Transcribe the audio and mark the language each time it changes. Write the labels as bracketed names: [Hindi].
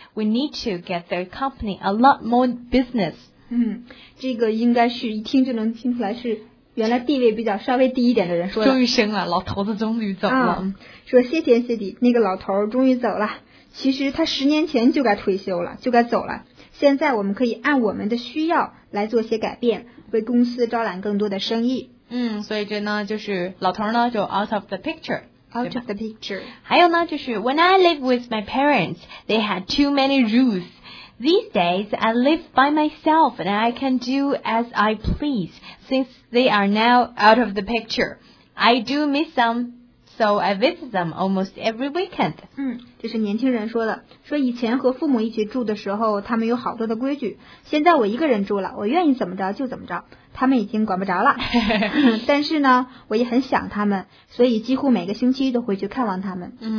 [English] We need to get the company a lot more business. [Chinese] 这个应该是一听就能听出来是原来地位比较稍微低一点的人说的。终于升了，老头子终于走了。说谢天谢地，那个老头终于走了。其实他十年前就该退休了，就该走了。现在我们可以按我们的需要来做些改变，为公司招揽更多的生意。所以这呢就是老头呢就 [English] out of the picture。 out of the picture。 [Chinese] 还有呢就是 [English] when I live with my parents they had too many rules. These days I live by myself and I can do as I please since they are now out of the picture. I do miss them so I visit them almost every weekend。 [Chinese] 这是年轻人说的，说以前和父母一起住的时候他们有好多的规矩，现在我一个人住了，我愿意怎么着就怎么着，他们已经管不着了。但是呢我也很想他们，所以几乎每个星期都会去看望他们。